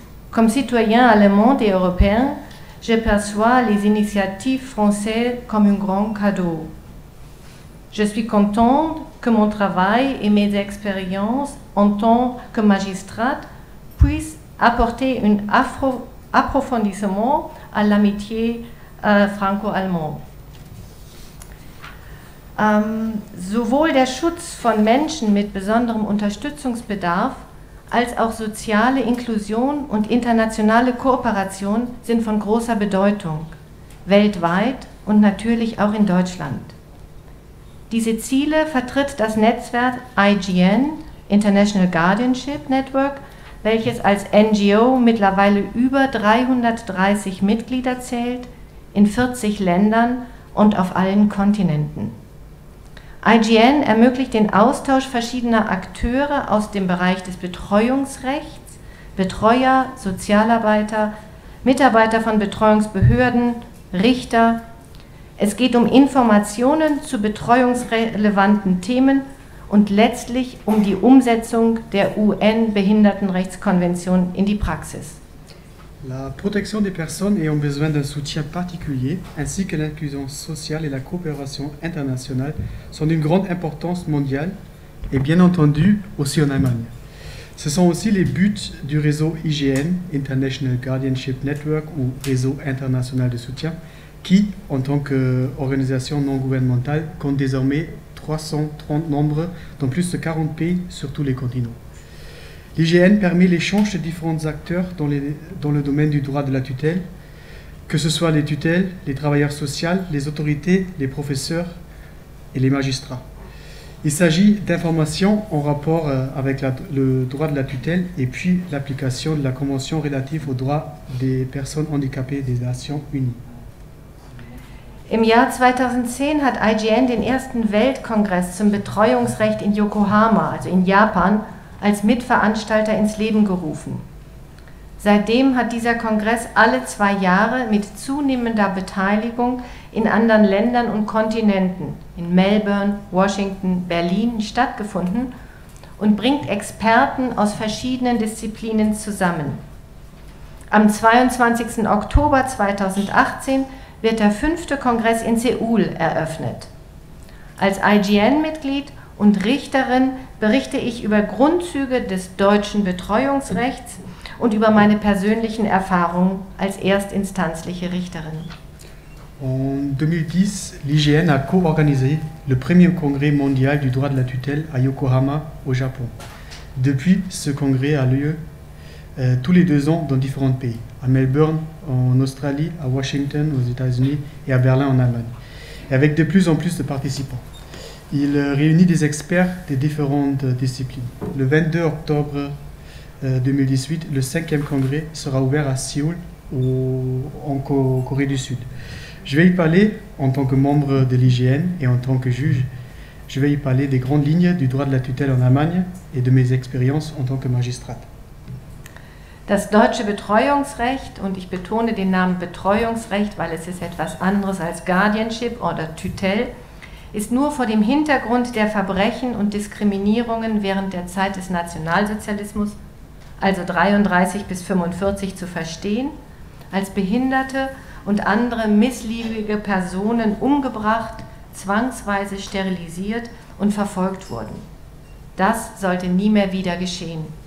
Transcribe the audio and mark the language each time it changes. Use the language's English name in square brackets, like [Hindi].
[French] Comme citoyen allemand et européen, je perçois les initiatives françaises comme un grand cadeau. Je suis contente que mon travail et mes expériences en tant que magistrate puissent apporter un approfondissement à l'amitié franco-allemande. [German] Sowohl der Schutz von Menschen mit besonderem Unterstützungsbedarf als auch soziale Inklusion und internationale Kooperation sind von großer Bedeutung, weltweit und natürlich auch in Deutschland. Diese Ziele vertritt das Netzwerk IGN, International Guardianship Network, welches als NGO mittlerweile über 330 Mitglieder zählt, in 40 Ländern und auf allen Kontinenten. IGN ermöglicht den Austausch verschiedener Akteure aus dem Bereich des Betreuungsrechts, Betreuer, Sozialarbeiter, Mitarbeiter von Betreuungsbehörden, Richter. Es geht um Informationen zu betreuungsrelevanten Themen und letztlich um die Umsetzung der UN-Behindertenrechtskonvention in die Praxis. [French] La protection des personnes ayant besoin d'un soutien particulier, ainsi que l'inclusion sociale et la coopération internationale, sont d'une grande importance mondiale et bien entendu aussi en Allemagne. Ce sont aussi les buts du réseau IGN, International Guardianship Network, ou réseau international de soutien, qui, en tant qu'organisation non gouvernementale, compte désormais 330 membres dans plus de 40 pays sur tous les continents. L'IGN permet l'échange de différents acteurs dans le domaine du droit de la tutelle, que ce soit les tutelles, les travailleurs sociaux, les autorités, les professeurs et les magistrats. Il s'agit d'informations en rapport avec le droit de la tutelle et puis l'application de la Convention relative aux droits des personnes handicapées des Nations Unies. [German] Im Jahr 2010 hat IGN den ersten Weltkongress zum Betreuungsrecht in Yokohama, also in Japan, als Mitveranstalter ins Leben gerufen. Seitdem hat dieser Kongress alle zwei Jahre mit zunehmender Beteiligung in anderen Ländern und Kontinenten, in Melbourne, Washington, Berlin, stattgefunden und bringt Experten aus verschiedenen Disziplinen zusammen. Am 22. Oktober 2018 wird der 5. Kongress in Seoul eröffnet. Als IGN-Mitglied und Richterin berichte ich über Grundzüge des deutschen Betreuungsrechts und über meine persönlichen Erfahrungen als erstinstanzliche Richterin. [French] En 2010, l'IGN a co-organisé le premier congrès mondial du droit de la tutelle à Yokohama, au Japon. Depuis, ce congrès a lieu tous les deux ans dans différents pays, à Melbourne, en Australie, à Washington, aux États-Unis et à Berlin, en Allemagne, et avec de plus en plus de participants. Il réunit des experts des différentes disciplines. Le 22 octobre 2018, le 5e congrès sera ouvert à Séoul, en Corée du Sud. Je vais y parler en tant que membre de l'IGN et en tant que juge. Je vais y parler des grandes lignes du droit de la tutelle en Allemagne et de mes expériences en tant que magistrate. [German] Das deutsche Betreuungsrecht, und ich betone den Namen Betreuungsrecht, weil es ist etwas anderes als Guardianship oder Tutelle, ist nur vor dem Hintergrund der Verbrechen und Diskriminierungen während der Zeit des Nationalsozialismus, also 33 bis 45, zu verstehen, als Behinderte und andere missliebige Personen umgebracht, zwangsweise sterilisiert und verfolgt wurden. Das sollte nie mehr wieder geschehen.